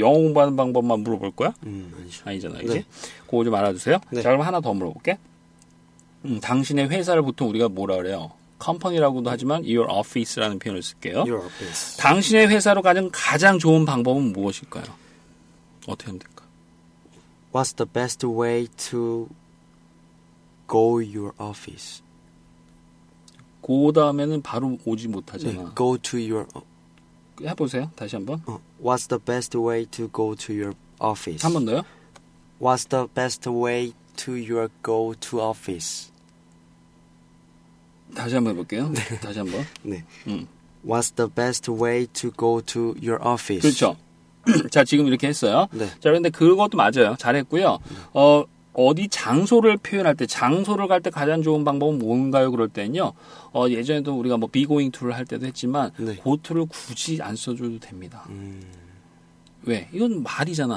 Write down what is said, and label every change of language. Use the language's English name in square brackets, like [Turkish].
[Korean] 영어 공부하는 방법만 물어볼 거야? 아니죠. 아니잖아, 이제. 네. 그거 좀 알아주세요. 네. 자, 그럼 하나 더 물어볼게. 당신의 회사를 보통 우리가 뭐라 그래요? company라고도 하지만 [English] your office [Korean] 라는 표현을 쓸게요. [English] Your office. [Korean] 당신의 회사로 가는 가장 좋은 방법은 무엇일까요? 어떻게 하면 될까? [English] What's the best way to go your office? [Korean] 고 다음에는 바로 오지 못하잖아. [English] 네, go to your [Korean] 해보세요. 다시 한번. [English] What's the best way to go to your office? [Korean] 한 번 더요. [English] What's the best way to your go to office? [Korean] 다시 한번 해볼게요. 네. 다시 한번. 네. [English] What's the best way to go to your office? [Korean] 그렇죠. 자 지금 이렇게 했어요. 네. 자 그런데 그것도 맞아요. 잘했고요. 어디 장소를 표현할 때 장소를 갈 때 가장 좋은 방법은 뭔가요? 그럴 때는요. 예전에도 우리가 뭐 [English] be going to [Korean] 를 할 때도 했지만 네. [English] go to [Korean] 를 굳이 안 써줘도 됩니다. 왜? 이건 말이잖아.